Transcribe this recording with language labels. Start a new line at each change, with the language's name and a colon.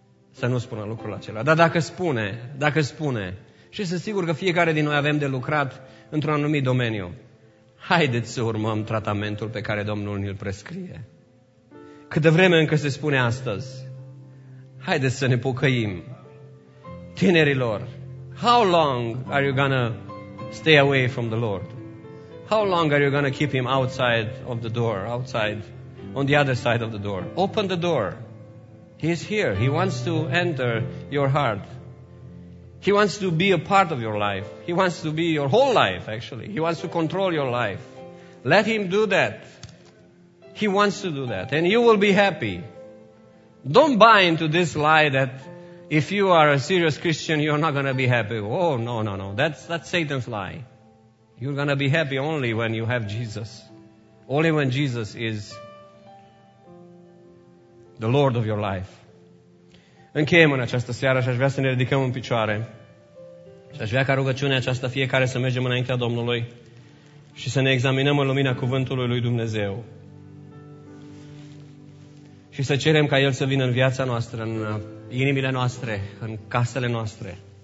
Romanian: Să nu spună lucrul acela. Dar dacă spune, și sunt sigur că fiecare din noi avem de lucrat într-un anumit domeniu, haideți să urmăm tratamentul pe care Domnul ni-l prescrie. Câte vreme încă se spune astăzi, haideți să ne pocăim. Tinerilor,
English: how long are you gonna stay away from the Lord? How long are you gonna keep him outside of the door, outside, on the other side of the door? Open the door. He is here. He wants to enter your heart. He wants to be a part of your life. He wants to be your whole life, actually. He wants to control your life. Let him do that. He wants to do that. And you will be happy. Don't buy into this lie that if you are a serious Christian, you're not going to be happy. Oh, no, no, no. That's Satan's lie. You're going to be happy only when you have Jesus. Only when Jesus is the Lord of your life.
Romanian: Încheiem în această seară și aș vrea să ne ridicăm în picioare. Și aș vrea ca rugăciunea aceasta fiecare să mergem înaintea Domnului și să ne examinăm în lumina cuvântului lui Dumnezeu. Și să cerem ca El să vină în viața noastră, în inimile noastre, în casele noastre.